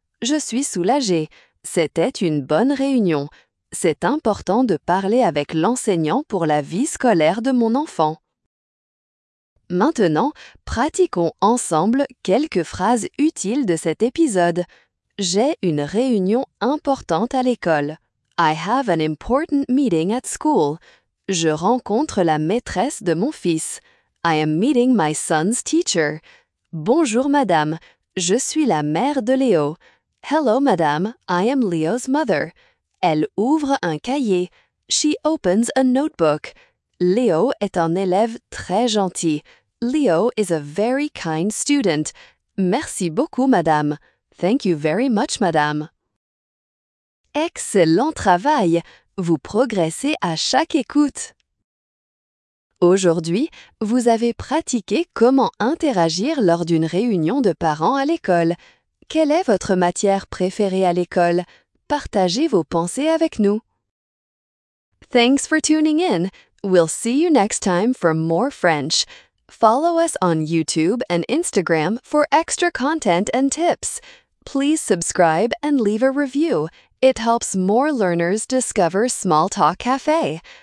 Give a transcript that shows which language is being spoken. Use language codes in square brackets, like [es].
[fr] Je suis soulagée. C'était une bonne réunion. C'est important de parler avec l'enseignant pour la vie scolaire de mon enfant. Maintenant, pratiquons ensemble quelques phrases utiles de cet épisode. J'ai une réunion importante à l'école. [en] I have an important meeting at school. [fr] Je rencontre la maîtresse de mon fils. [en] I am meeting my son's teacher. [fr] Bonjour, madame. Je suis la mère de Léo. [en] Hello, madame. I am Leo's mother. [fr] Elle ouvre un cahier. [en] She opens a notebook. [fr] Léo est un élève très gentil. [en] Léo is a very kind student. [fr] Merci beaucoup, madame. [en] Thank you very much, madame. [fr] Excellent travail! Vous progressez à chaque écoute. Aujourd'hui, vous avez pratiqué comment interagir lors d'une réunion de parents à l'école. Quelle est votre matière préférée à l'école? Partagez vos pensées avec nous. [en] Thanks for tuning in. We'll see you next time for more French. Follow us on YouTube and Instagram for extra content and tips. Please subscribe and leave a review. It helps more learners discover Small Talk Cafe.